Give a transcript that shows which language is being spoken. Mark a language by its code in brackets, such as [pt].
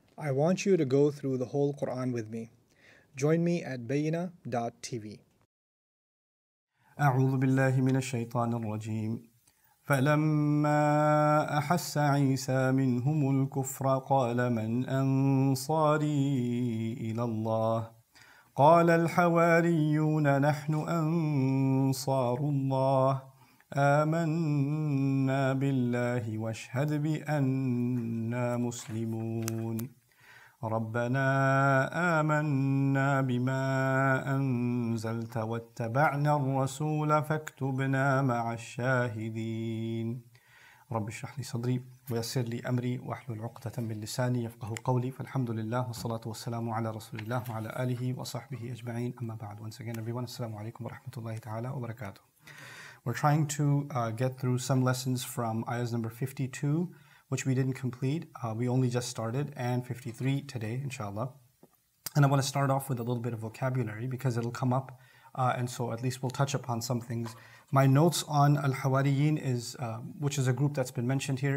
[en] I want you to go through the whole Quran with me. Join me at bayina.tv. [ar] أعوذ بالله من الشيطان الرجيم. فلما أحس عيسى منهم الكفر قال من أنصاري إلى الله؟ قال الحواريون نحن أنصار الله. آمنا بالله واشهد بأننا مسلمون ربنا آمنا بما أنزلت واتبعنا الرسول فاكتبنا مع الشاهدين رب اشرح لي صدري ويسر لي أمري واحلل عقدة من لساني يفقه قولي فالحمد لله والصلاة والسلام على رسول الله وعلى آله وصحبه أجمعين أما بعد [en] Once again everyone, [ar] السلام عليكم ورحمة الله تعالى وبركاته. [en] We're trying to get through some lessons from ayahs number 52, which we didn't complete. We only just started, and 53 today, inshallah. And I want to start off with a little bit of vocabulary because it'll come up. And so at least we'll touch upon some things. My notes on al-Hawariyin is, which is a group that's been mentioned here.